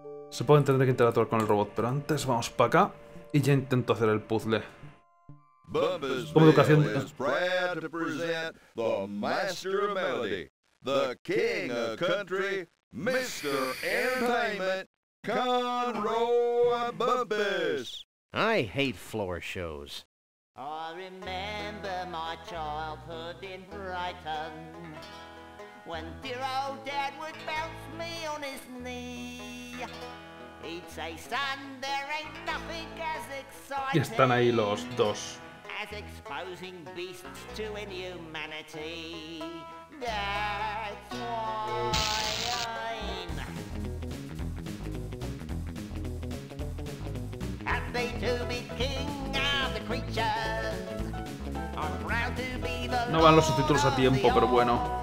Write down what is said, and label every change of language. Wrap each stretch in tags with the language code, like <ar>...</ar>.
<es>Se puede entender que interactuar con el robot, pero antes vamos para acá y ya intento hacer el puzzle. Como educación.</es> <en>Is proud to present the master of melody, the king of country, Mr. Entertainment, Conroe Bumpus. I hate floor shows. I remember my childhood in Brighton, when dear old dad would bounce me on his knee. He'd say, son, there ain't nothing as exciting.</en> <es>Y están ahí los dos.</es> <en>As exposing beasts to inhumanity. That's why I'm happy to be king of the creatures. I'm proud to be the lord.</en> <es>No van los subtítulos a tiempo, pero bueno.</es>